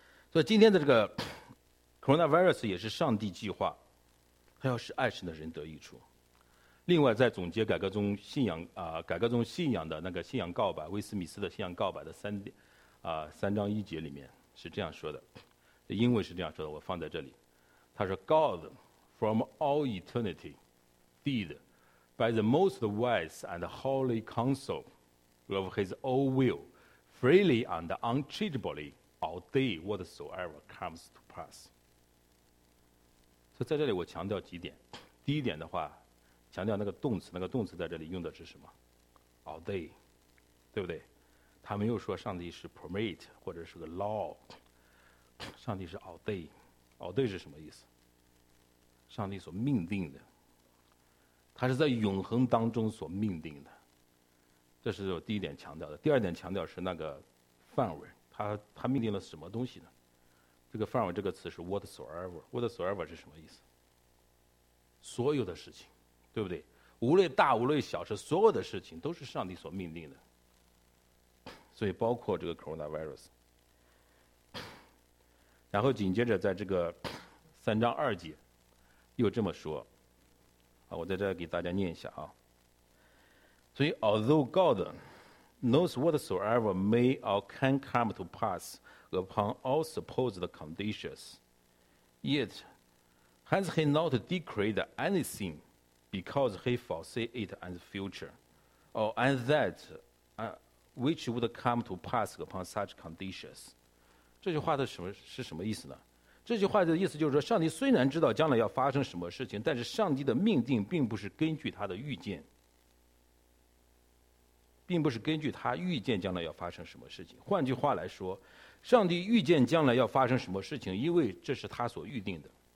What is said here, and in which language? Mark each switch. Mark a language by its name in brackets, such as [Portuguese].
[Chinese] 所以今天的这个 coronavirus 也是上帝计划，他要使爱神的人得益处。另外，在总结改革中信仰改革中信仰的那个信仰告白，威斯米斯的信仰告白的3:1里面是这样说的，英文是这样说的，我放在这里。他说 [English] God from all eternity did by the most wise and holy counsel of his own will freely and unchangeably ordain whatsoever comes to pass。 [Chinese] 所以在这里我强调几点。第一点的话，强调那个动词，那个动词在这里用的是什么？ ordain， 对不对？他没有说上帝是 permit 或者是个 law， 上帝是 ordain。ordain 是什么意思？上帝所命定的，他是在永恒当中所命定的。这是我第一点强调的。第二点强调是那个范围，他命定了什么东西呢？这个范围这个词是 whatsoever。whatsoever 是什么意思？所有的事情，对不对？无论大无论小，是所有的事情都是上帝所命定的，所以包括这个 coronavirus。然后紧接着在这个3:2又这么说，我在这给大家念一下啊。所以 [English] although God knows whatsoever may or can come to pass upon all supposed conditions, yet has he not decreed anythingBecause he foresee it as future, or as that which would come to pass upon such conditions. [Chinese] 这句话的是什么意思呢？这句话的意思就是说，上帝虽然知道将来要发生什么事情，但是上帝的命定并不是根据他的预见，并不是根据他预见将来要发生什么事情。换句话来说，上帝预见将来要发生什么事情，因为这是他所预定的。